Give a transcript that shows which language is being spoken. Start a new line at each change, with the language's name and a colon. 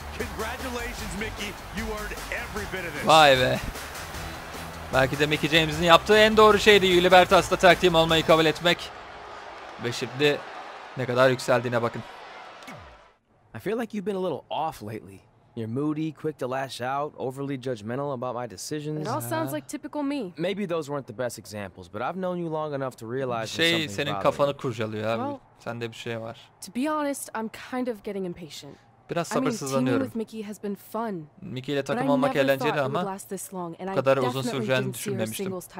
English: Congratulations Mickey, you earned every bit of this.
Turkish: Vay be. Belki de Mickey James'in yaptığı en doğru şeydi Libertas'la tag team olmayı kabul etmek. Ve şimdi ne kadar yükseldiğine bakın.
English: I feel like you've been a little off lately. You're moody, quick to lash out, overly judgmental about my decisions. It all sounds like typical me. Maybe those weren't the best examples, but I've known you long enough to realize
Turkish: something. Şey, senin kafanı kurcalıyor abi. Well, sende bir şey var.
English: To be honest, I'm kind of getting impatient.
Turkish: Biraz sabırsızlanıyorum.
English: I mean, Mickey has been fun.
Turkish: Mickey ile takım olmak eğlenceli ama bu kadar uzun süreceğini düşünmemiştim.